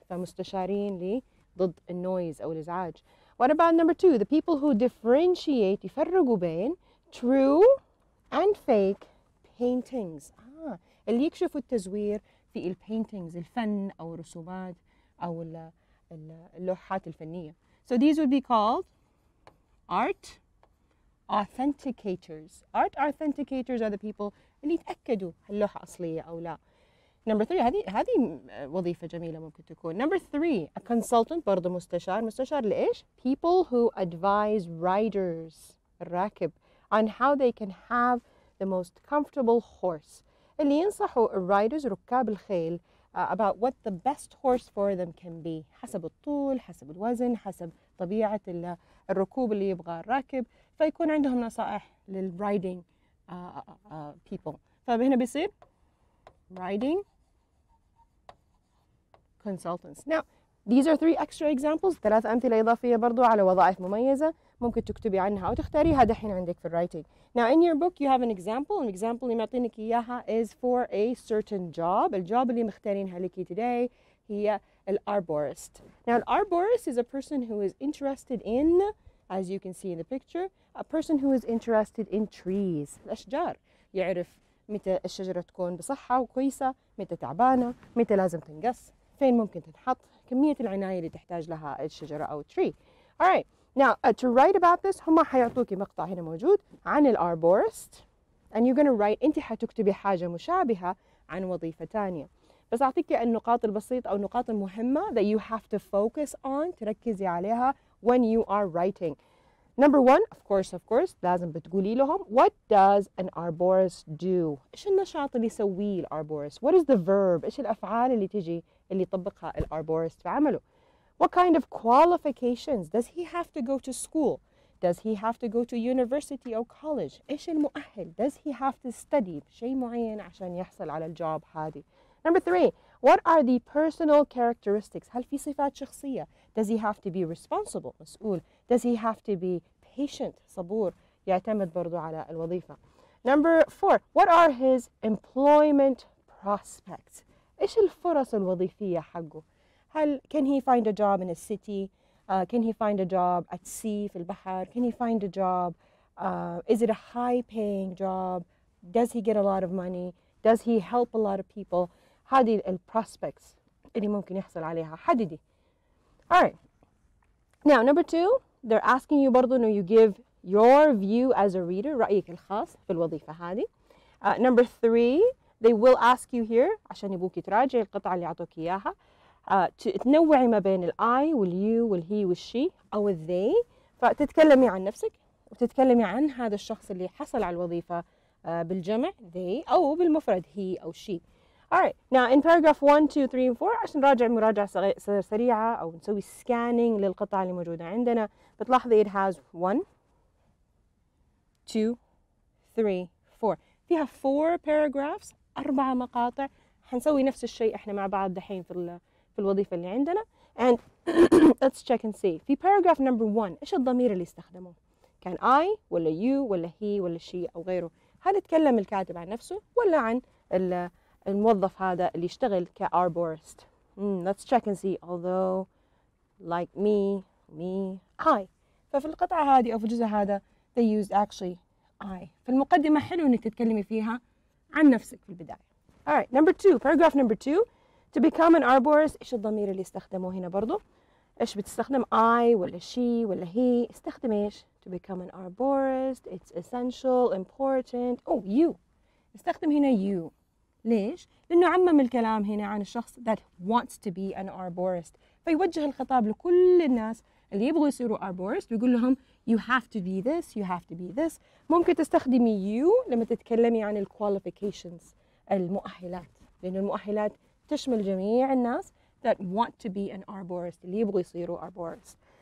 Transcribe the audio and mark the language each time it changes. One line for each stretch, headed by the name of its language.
Arabic: فمستشارين لي ضد النويز أو الإزعاج.
English: What about number two? The people who differentiate,
Arabic: يفرقوا بين
English: true and fake paintings.
Arabic: اللي يكشفوا التزوير في الpaintings, الفن أو الرسومات أو اللوحات الفنية.
English: So these would be called art authenticators. Art authenticators are the people
Arabic: اللي يتأكدوا هاللوحة أصلية أو لا. Number three, هذه وظيفة جميلة ممكن تكون.
English: Number three, a consultant,
Arabic: برضو مستشار. مستشار لإيش؟
English: People who advise riders, الراكب, on how they can have the most comfortable horse.
Arabic: اللي ينصحوا الرايدرز ركاب الخيل
English: about what the best horse for them can be.
Arabic: حسب الطول, حسب الوزن, حسب طبيعة الركوب اللي يبغى الراكب. فيكون عندهم نصائح للرايدنج people. فهنا بيصير رايدنج consultants.
English: Now, these are three extra examples.
Arabic: ثلاث أمثلة إضافية برضو على وظائف مميزة. ممكن تكتبي عنها أو تختاريها دحين عندك في الرايتنج.
English: Now, in your book, you have an example. An example
Arabic: اللي معطينك إياها
English: is for a certain job.
Arabic: الجوب اللي مختارينها لكي today هي الarborist.
English: Now, الarborist is a person who is interested in, as you can see in the picture, a person who is interested in trees.
Arabic: الأشجار. يعرف متى الشجرة تكون بصحة وكويسة، متى تعبانة، متى لازم تنقص، فين ممكن تنحط، كمية العناية اللي تحتاج لها الشجرة أو tree. Alright, now to write about this هما حيعطوكي مقطع هنا موجود عن الأربورست
English: and you're gonna write،
Arabic: أنت حتكتبي حاجة مشابهة عن وظيفة تانية، بس أعطيك النقاط البسيطة أو النقاط المهمة
English: that you have to focus on،
Arabic: تركزي عليها
English: when you are writing. Number one, of course, لازم بتقولي لهم what does an arborist do؟
Arabic: إيش النشاط اللي يسويه الأربورست؟
English: What is the verb؟
Arabic: إيش الأفعال اللي تجي اللي يطبقها الأربورست في عمله؟
English: What kind of qualifications does he have to go to school? Does he have to go to university or college?
Arabic: إيش المؤهل؟
English: Does he have to study
Arabic: شيء معين عشان يحصل على الجوب هذه؟
English: Number three, what are the personal characteristics?
Arabic: هل في صفات شخصية؟
English: Does he have to be responsible, مسؤول؟ Does he have to be patient, صبور؟
Arabic: يعتمد برضو على الوظيفة.
English: Number four, what are his employment prospects?
Arabic: إيش الفرص الوظيفية حقه؟
English: هل can he find a job in a city? Can he find a job at sea
Arabic: في البحر?
English: Can he find a job? Is it a high-paying job? Does he get a lot of money? Does he help a lot of people?
Arabic: هذه ال prospects اللي ممكن يحصل عليها حددي.
English: Alright. Now number two, they're asking you برضو إنه you give your view as a reader
Arabic: رأيك الخاص في الوظيفة هذه.
English: Number three, they will ask you here
Arabic: عشان يبوكي تراجعي القطعة اللي عطوك إياها. تنوعي ما بين ال I وال you وال he وال she أو ال they، فتتكلمي عن نفسك وتتكلمي عن هذا الشخص اللي حصل على الوظيفة بالجمع they أو بالمفرد he أو she.
English: Alright, now in paragraph 1, 2, 3, and 4
Arabic: عشان نراجع مراجعة سريعة أو نسوي
English: scanning
Arabic: للقطع اللي موجودة عندنا بتلاحظي
English: it has 1,
Arabic: 2, 3, 4 فيها 4 paragraphs 4 مقاطع حنسوي نفس الشيء احنا مع بعض دحين في الوظيفة اللي عندنا
English: and let's check and see
Arabic: في paragraph number 1 إيش الضمير اللي استخدموه كان I ولا you ولا he ولا she أو غيره هل تكلم الكاتب عن نفسه ولا عن الموظف هذا اللي يشتغل كأربورست.
English: Let's check and see. Although, like me, I.
Arabic: ففي القطعة هذه أو في الجزء هذا,
English: they used actually I.
Arabic: فالمقدمة حلو إنك تتكلمي فيها عن نفسك في البداية.
English: Alright, number two. Paragraph number two. To become an arborist,
Arabic: إيش الضمير اللي استخدمه هنا برضو؟ إيش بتستخدم I ولا she ولا he؟ استخدم إيش؟
English: To become an arborist, it's essential, important. Oh, you.
Arabic: استخدم هنا you. ليش؟ لأنه عمم الكلام هنا عن الشخص
English: that wants to be an arborist
Arabic: فيوجه الخطاب لكل الناس اللي يبغوا يصيروا arborist ويقول لهم
English: you have to be this,
Arabic: you have to be this ممكن تستخدمي you لما تتكلمي عن qualifications المؤهلات لأن المؤهلات تشمل جميع الناس
English: that want to be an arborist
Arabic: اللي يبغوا يصيروا arborist